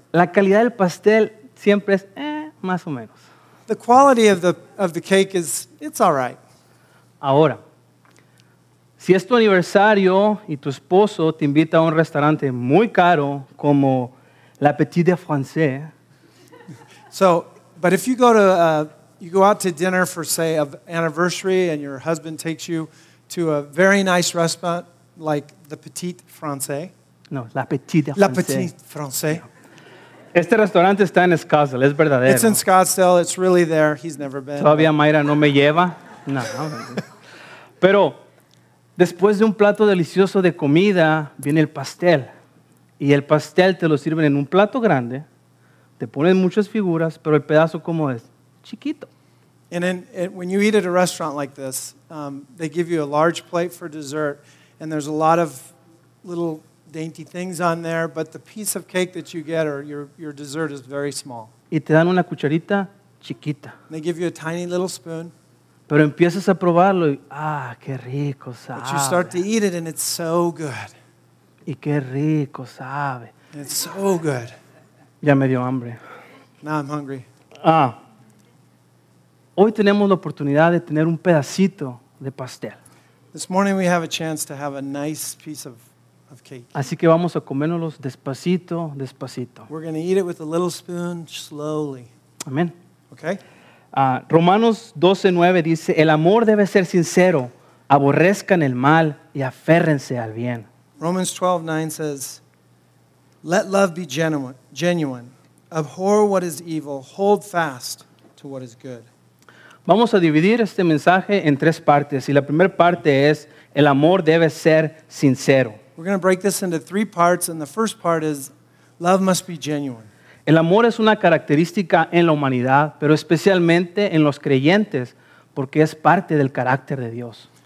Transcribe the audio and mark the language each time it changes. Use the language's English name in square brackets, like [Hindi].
[Spanish] La calidad del pastel siempre es más o menos. [English] The quality of the cake is, it's all right. [Spanish] Ahora, si es tu aniversario y tu esposo te invita a un restaurante muy caro como L'Appetit de Français. [English] So, but if you go to you go out to dinner for, say, an anniversary, and your husband takes you to a very nice restaurant like the Petit Français. [Spanish] No, La Petite Française. La Petite Française. Este restaurante está en Scottsdale, es verdadero. [English] It's in Scottsdale, it's really there, he's never been. [Spanish] Todavía Mayra no me lleva. No. Pero después de un plato delicioso de comida, viene el pastel. Y el pastel te lo sirven en un plato grande, te ponen muchas figuras, pero el pedazo, ¿cómo es? Chiquito. [English] And then when you eat at a restaurant like this, they give you a large plate for dessert, and there's a lot of little dainty things on there, but the piece of cake that you get or your dessert is very small. [Spanish] Y te dan una cucharita chiquita. [English] And they give you a tiny little spoon. [Spanish] Pero empiezas a probarlo y, ah, qué rico sabe. [English] But you start to eat it and it's so good. [Spanish] Y qué rico sabe. [English] And it's so good. [Spanish] Ya me dio hambre. [English] Now I'm hungry. Ah. [Spanish] Hoy tenemos la oportunidad de tener un pedacito de pastel. [English] This morning we have a chance to have a nice piece of cake. [Spanish] Así que vamos a comérnoslo despacito, despacito. [English] We're going to eat it with a little spoon, slowly. [Spanish] Amén. [English] Okay. [Spanish] Romanos 12:9 dice, el amor debe ser sincero, aborrezcan el mal y aférrense al bien. [English] Romans 12:9 says, let love be genuine, abhor what is evil, hold fast to what is good. [Spanish] Vamos a dividir este mensaje en tres partes. Y la primera parte es, el amor debe ser sincero. [English] We're going to break this into three parts, and the first part is, love must be genuine. [Spanish] El amor es una característica en la humanidad, pero especialmente en los creyentes, porque es parte del carácter de Dios.